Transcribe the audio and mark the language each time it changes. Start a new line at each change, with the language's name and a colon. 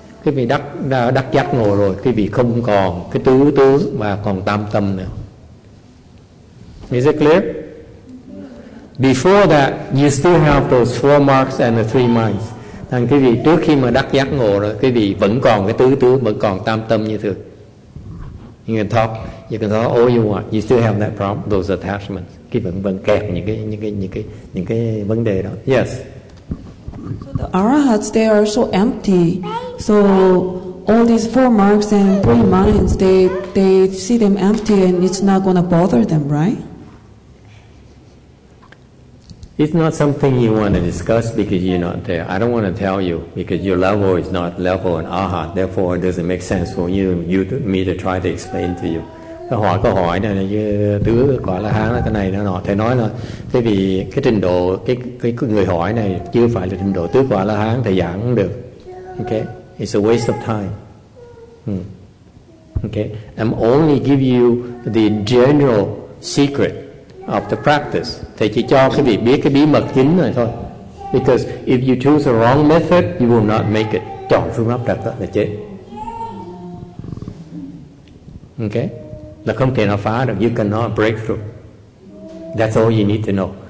Vietnamese: Quý vị đắc giác ngộ rồi, quý vị không còn cái tứ tướng mà còn tam tâm nữa.
English: Is it clear? Before that, you still have those four marks and the three minds.
Vietnamese: Thành quý vị trước khi mà đắc giác ngộ rồi, quý vị vẫn còn cái tứ tướng, vẫn còn tam tâm như thường.
English: You can talk all you want. You still have that problem, those attachments.
Vietnamese: Quý vị vẫn kẹt những cái vấn đề đó.
English: Yes. So the arahats, they are so empty. So all these four marks and three minds, they see them empty and it's not going to bother them, right? It's not something you want to discuss because you're not there. I don't want to tell you because your level is not level in arahat. Therefore, it doesn't make sense for me to try to explain to you.
Vietnamese: Cái hỏi câu hỏi này như tứ quả la hán cái này nó thầy nói là thế vì cái trình độ cái người hỏi này chưa phải là trình độ tứ quả la hán thầy giảng được.
English: Okay, it's a waste of time. Okay, I'm only give you the general secret of the practice.
Vietnamese: Thầy chỉ cho quý vị biết cái bí mật chính này thôi.
English: Because if you choose the wrong method, you will not make it.
Vietnamese: Chọn phương pháp đặt đó là chết. Okay, là không thể nào phá được.
English: You cannot break through. That's all you need to know.